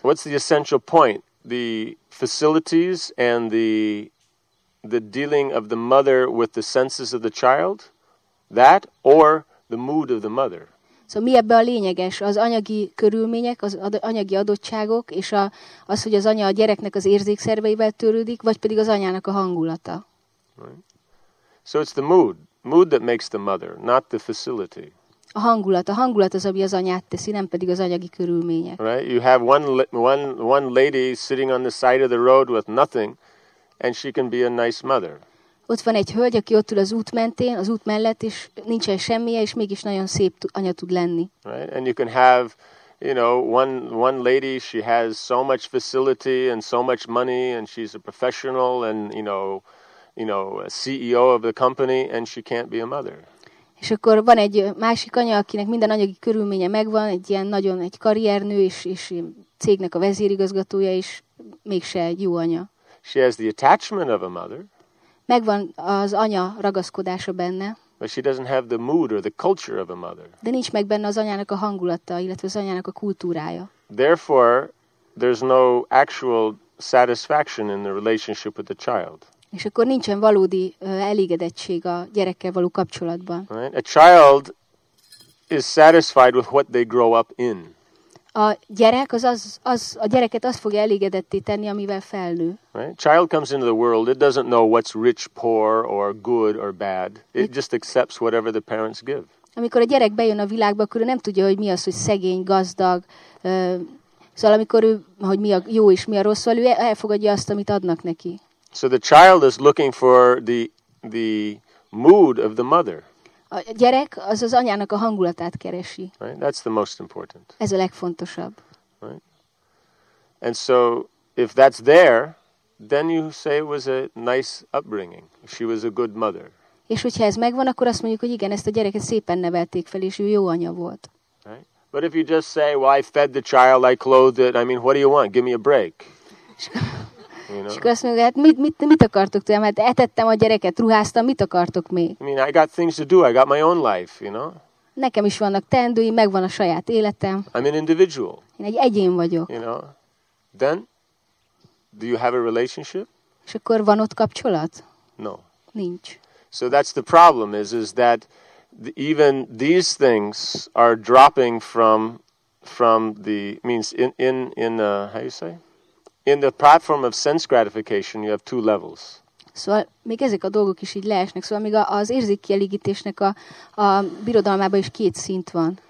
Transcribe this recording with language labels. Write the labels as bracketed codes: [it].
[en] What's the essential point? The facilities and the dealing of the mother with the senses of the child? That or the mood of the mother? [hu] Szóval mi ebben a lényeges? Az anyagi körülmények, az anyagi adottságok, és az, hogy az anya a gyereknek az érzékszerveivel törődik, vagy pedig az anyának a hangulata. [en] Right. So it's the mood. Mood that makes the mother, not the facility. [hu] A hangulat az, ami az anyát teszi, nem pedig az anyagi körülmények. [en] Right. You have one lady sitting on the side of the road with nothing, and she can be a nice mother. [hu] Ott van egy hölgy, aki ott ül az út mentén, az út mellett, és nincsen semmije, és mégis nagyon szép anya tud lenni. [en] Right? And you can have, you know, one lady, she has so much facility and so much money, and she's a professional and, you know, a CEO of the company, and she can't be a mother. [hu] És akkor van egy másik anya, akinek minden anyagi körülménye megvan, egy ilyen nagyon egy karriernő, és cégnek a vezérigazgatója is, mégse egy jó anya. [en] She has the attachment of a mother. [hu] Megvan az anya ragaszkodása benne. [en] But she doesn't have the mood or the culture of a mother. [hu] De nincs meg benne az anyának a hangulata, illetve az anyának a kultúrája. [en] Therefore, there's no actual satisfaction in the relationship with the child. [hu] És akkor nincsen valódi elégedettség a gyerekkel való kapcsolatban. [en] Right? A child is satisfied with what they grow up in. [hu] A gyerek az a gyereket az fogja elégedetté tenni, amivel felnő. [en] Right? Child comes into the world, it doesn't know what's rich, poor, or good or bad. It just accepts whatever the parents give. [hu] Amikor a gyerek bejön a világba, akkor ő nem tudja, hogy mi az, hogy szegény, gazdag. Szóval amikor ő, hogy mi a jó és mi a rossz, ő elfogadja azt, amit adnak neki. [en] So the child is looking for the mood of the mother. [hu] A gyerek az az anyának a hangulatát keresi. [en] Right? That's the most important. [hu] Ez a legfontosabb. [en] Right? And so if that's there, then you say it was a nice upbringing. She was a good mother. [hu] És hogyha ez megvan, akkor azt mondjuk, hogy igen, ezt a gyereket szépen nevelték fel, és ő jó anya volt. [en] Right? But if you just say, well, I fed the child, I clothed it, I mean, what do you want? Give me a break. [hu] És akkor azt mondja, hát mit akartok tőlem? Hát etettem a gyereket, ruháztam, mit akartok még? [en] I mean, I got things to do, I got my own life, you know? [hu] Nekem is vannak teendői, megvan a saját életem. [en] I'm an individual. [hu] Én egy egyén vagyok. [en] You know? Then, do you have a relationship? [hu] És akkor van ott kapcsolat? [en] No. [hu] Nincs. [en] So that's the problem, is that even these things are dropping from the, means how you say? In the platform of sense gratification, you have two levels. [hu] Szóval még ezek a dolgok is így leesnek. Szóval még az érzékkielégítésnek a birodalmában is két szint van.